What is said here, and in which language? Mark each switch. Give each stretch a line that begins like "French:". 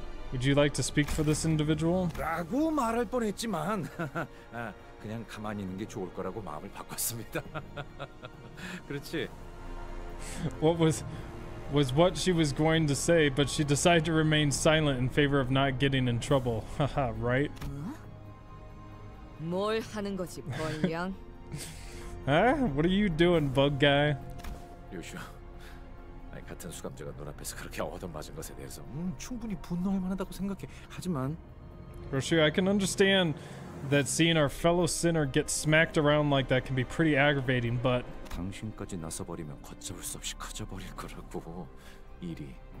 English: Would you like to speak for this individual?
Korean: 라고 말할 뻔했지만 그냥 가만히 있는 게 좋을 거라고 마음을 바꿨습니다. 그렇지?
English: What was what she was going to say, but she decided to remain silent in favor of not getting in trouble. Haha, right?
Korean: 뭘 하는 거지, 벌량?
English: Huh? What are you doing, bug guy?
Korean: 요시오. 같은 수감자가 눈앞에서 그렇게 얻어맞은 것에 대해서 충분히 분노할 만하다고 생각해. 하지만
English: Roshi, I can understand that seeing our fellow sinner get smacked around like that can be pretty aggravating, but
Korean: 당신까지 나서버리면 걷잡을 수 없이 커져버릴 거라고 일이